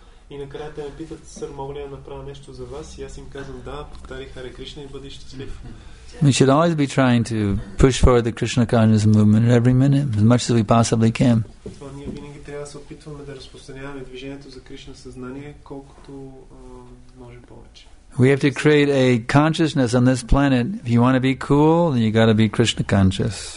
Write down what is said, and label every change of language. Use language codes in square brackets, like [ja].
[bg] И накрая те ме питат, сър, мога ли да направя нещо за вас? И аз им казвам, да, повтари Харе Кришна и бъди щастлив. [en] We should always be trying to push forward the Krishna consciousness movement every minute, as much as we possibly can. [bg] Това ние винаги трябва да се опитваме да разпространяваме движението за Кришна съзнание, колкото може повече. [en] We have to create a consciousness on this planet. If you want to be cool, then you got to be Krishna conscious.